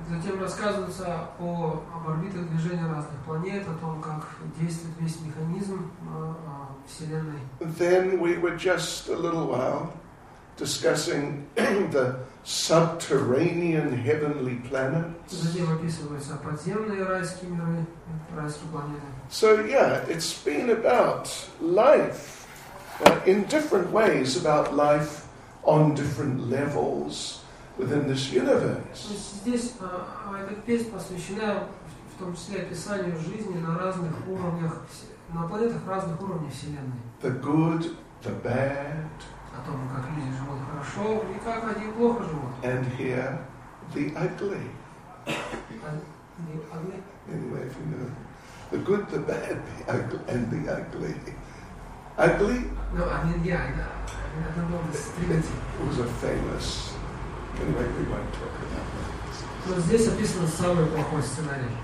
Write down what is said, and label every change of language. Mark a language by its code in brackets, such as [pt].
[ru] Затем рассказывается об орбитах движения разных планет, о том, как действует весь механизм Вселенной. [en] Then we were just a little while discussing the subterranean heavenly planets. [ru] Затем описываются подземные райские миры, райские планеты. [en] So yeah, it's been about life in different ways, about life on different levels within this universe. [ru] Здесь эта песня посвящена в том числе описанию жизни на разных уровнях, на планетах разных уровней Вселенной. [en] The good, the bad. [ru] О том, как люди живут хорошо и как они плохо живут. [en] And here, the ugly. The ugly. Anyway, if you know, the good, the bad, the ugly, and the ugly. Ugly? No, I mean, yeah, I don't know the stability. It was a famous... Anyway, we won't talk about that. So, this is the [ru] самый плохой сценарий.